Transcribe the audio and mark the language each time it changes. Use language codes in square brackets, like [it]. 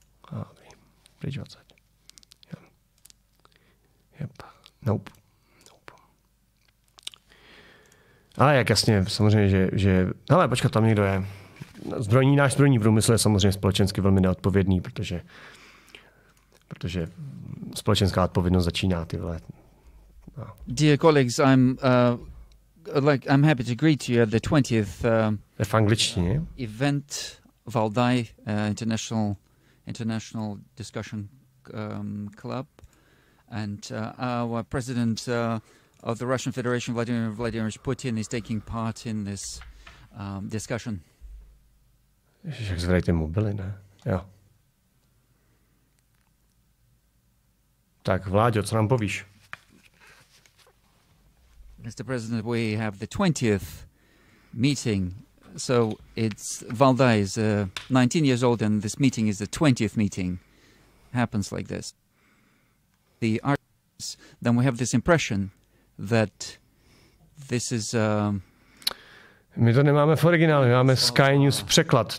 [cs] A vím. Pryč 20. Jep. Nope. A jak jasně, samozřejmě, že... Hele, počkat, tam někdo je. Zbrojní, náš zbrojní průmysl je samozřejmě společensky velmi neodpovědný, protože společenská odpovědnost začíná tyhle. No. [en] Dear colleagues, I'm happy to greet you at the 20th [cs] v angličtině. [en] Event Valdai International Discussion Club and our president of the Russian Federation, Vladimir Putin, is taking part in this discussion. [cs] Ježiš, jak zvedají ty mobily, ne? Jo. Tak, Vláďo, co nám povíš? [en] Mr. President, we have the 20th meeting. So it's Valdai is 19 years old and this meeting is the 20th meeting. Happens like this. The artists, then we have this impression that this is... [cs] My to nemáme v originálu, máme Sky News překlad.